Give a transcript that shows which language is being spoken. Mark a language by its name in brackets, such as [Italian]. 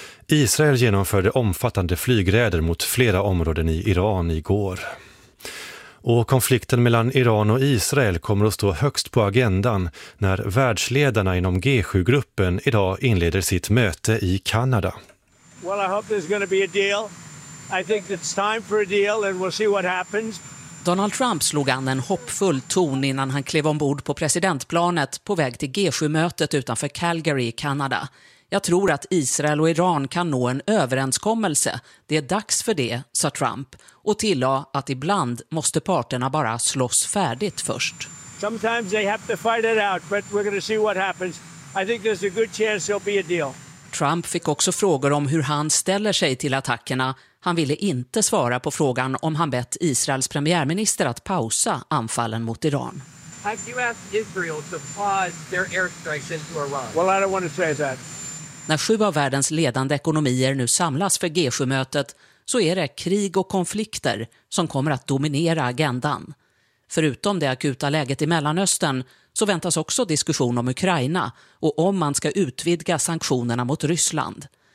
[Swedish] Israel genomförde omfattande flygräder mot flera områden i Iran igår. Och konflikten mellan Iran och Israel kommer att stå högst på agendan när världsledarna inom G7-gruppen idag inleder sitt möte i Kanada. [English] Well, I hope there's going to be a deal. I think it's time for a deal and we'll see what happens. [Swedish] Donald Trump slog an en hoppfull ton innan han klev ombord på presidentplanet på väg till G7-mötet utanför Calgary i Kanada. Jag tror att Israel och Iran kan nå en överenskommelse. Det är dags för det, sa Trump. Och tillade att ibland måste parterna bara slåss färdigt först. [English] Sometimes they have to fight it out, but we're going to see what happens. I think there's a good chance there'll be a deal. [Swedish] Trump fick också frågor om hur han ställer sig till attackerna. Han ville inte svara på frågan om han bett Israels premiärminister att pausa anfallen mot Iran. [English] Have you asked Israel to pause their airstrikes into Iran? Well, I don't want to say that. [Swedish] När 7 av världens ledande ekonomier nu samlas för G7-mötet så är det krig och konflikter som kommer att dominera agendan. Förutom det akuta läget i Mellanöstern så väntas också diskussion om Ukraina och om man ska utvidga sanktionerna mot Ryssland.